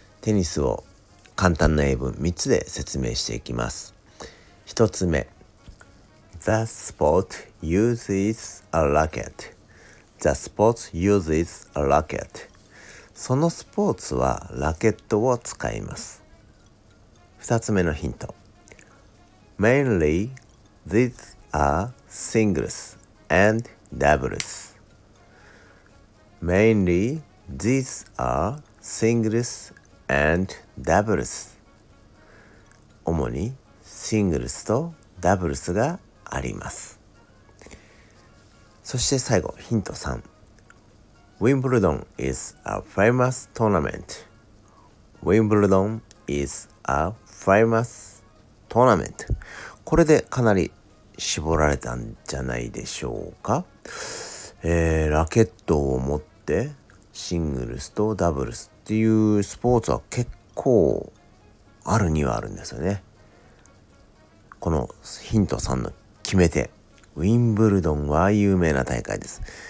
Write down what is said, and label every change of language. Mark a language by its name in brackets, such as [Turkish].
[Japanese] テニスを簡単な英文3つで説明していきます。 1つ目、 [English] The sport uses a racket. The sport uses a racket. [Japanese] そのスポーツはラケットを使います。 2つ目のヒント、 [English] Mainly, these are singles and doubles. Mainly, these are singles and doubles. [Japanese] 主にシングルスとダブルスがあります。そして最後、ヒント3。 [English] Wimbledon is a famous tournament. Wimbledon is a famous tournament. [Japanese] これでかなり絞られたんじゃないでしょうか。ラケットを持ってシングルスとダブルスっていうスポーツは結構あるにはあるんですよね。このヒント3の決め手、ウィンブルドンは有名な大会です。